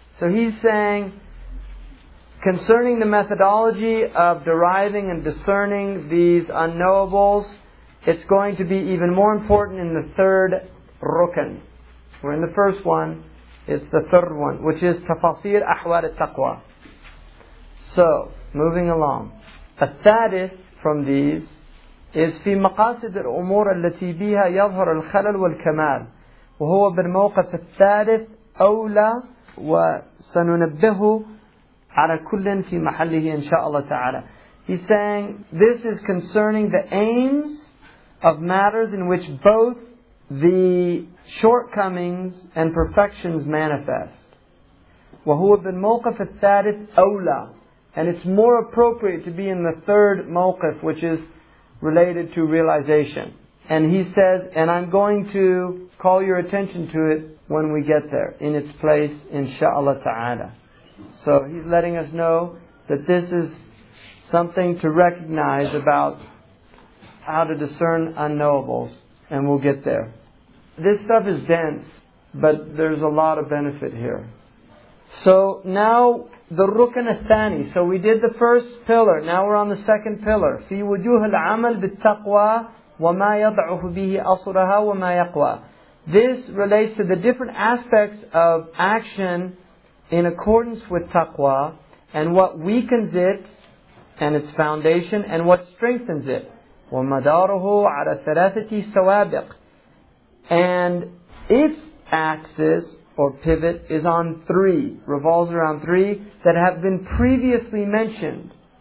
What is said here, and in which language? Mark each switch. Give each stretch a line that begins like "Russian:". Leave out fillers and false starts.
English: So he's saying, concerning the methodology of deriving and discerning these unknowables, it's going to be even more important in the third rukn. We're in the first one, it's the third one, which is tafasir ahwal al-taqwa. So, moving along.
Arabic: الثالث
English: from these
Arabic: is في مقاصد الأمور التي بها يظهر الخلل والكمال وهو بالموقف الثالث أولى. وسننبهه على كل في محله إن شاء الله تعالى.
English: He's saying this is concerning the aims of matters in which both the shortcomings and perfections manifest.
Arabic: وهو بالموقف الثالث أولى.
English: And it's more appropriate to be in the third موقف, which is related to realization. And he says, and I'm going to call your attention to it when we get there, in its place, insha'Allah ta'ala. So he's letting us know that this is something to recognize about how to discern unknowables, and we'll get there. This stuff is dense, but there's a lot of benefit here. So now, the rukn al-thani. So we did the first pillar, now we're on the second pillar.
Arabic: Fi wujuh al-amal bit-taqwa وَمَا يَضْعُهُ بِهِ أَصُرَهَا وَمَا يَقْوَى.
English: This relates to the different aspects of action in accordance with taqwa, and what weakens it and its foundation, and what strengthens it.
Arabic: ومداره على ثلاثة سوابق.
English: And its axis or pivot is on three, revolves around three that have been previously mentioned.